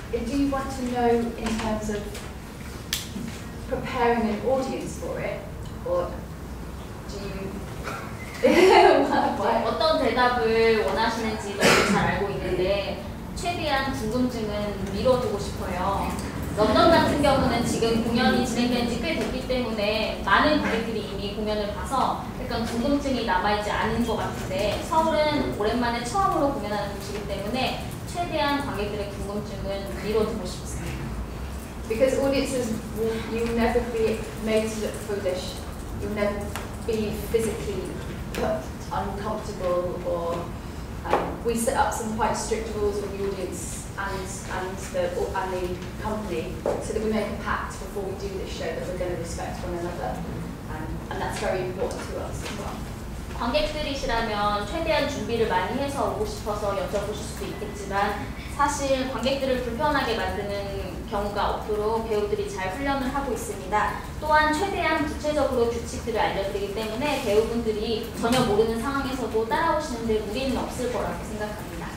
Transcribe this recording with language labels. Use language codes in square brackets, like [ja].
[en] Do you want to know in terms of preparing an audience for it, or do you... [ko] 어떤 대답을 원하시는지 너무 잘 알고 있는데 최대한 궁금증은 미뤄두고 싶어요. 런던 같은 경우는 지금 공연이 진행된 지 꽤 됐기 때문에 많은 관객들이 이미 공연을 봐서 약간 궁금증이 남아있지 않은 것 같은데 서울은 오랜만에 처음으로 공연하는 곳이기 때문에 최대한 관객들의 궁금증은 미뤄두고 싶습니다. [en] Because audiences, you'll never be made to look foolish. You'll never be physically put uncomfortable or we set up some quite strict rules with the audience and the company so that we make a pact before we do this show that we're going to respect one another and that's very important to us as well. [ko] 관객들이시라면 최대한 준비를 많이 해서 오고 싶어서 여쭤보실 수도 있겠지만 사실 관객들을 불편하게 만드는 경우가 없도록 배우들이 잘 훈련을 하고 있습니다. 또한 최대한 구체적으로 규칙들을 알려드리기 때문에 배우분들이 전혀 모르는 상황에서도 따라오시는데 무리는 없을 거라고 생각합니다.